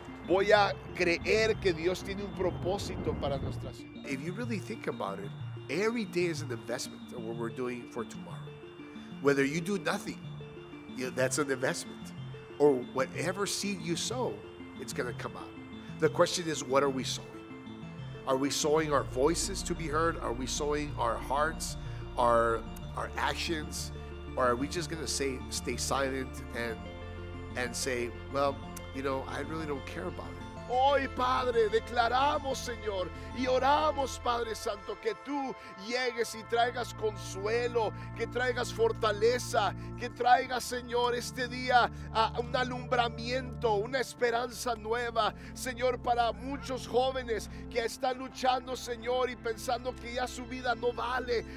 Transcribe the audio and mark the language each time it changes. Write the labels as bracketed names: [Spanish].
[Spanish] Voy a creer que Dios tiene un propósito para nuestra ciudad. [English] If you really think about it, every day is an investment of what we're doing for tomorrow. Whether you do nothing, you know, that's an investment. Or whatever seed you sow, it's going to come out. The question is, what are we sowing? Are we sowing our voices to be heard? Are we sowing our hearts, our actions? Or are we just going to stay silent and say, well, you know, I really don't care about it. [Spanish] Hoy, Padre, declaramos, Señor, y oramos, Padre Santo, que tú llegues y traigas consuelo, que traigas fortaleza, que traigas, Señor, este día a un alumbramiento, una esperanza nueva, Señor, para muchos jóvenes que están luchando, Señor, y pensando que ya su vida no vale.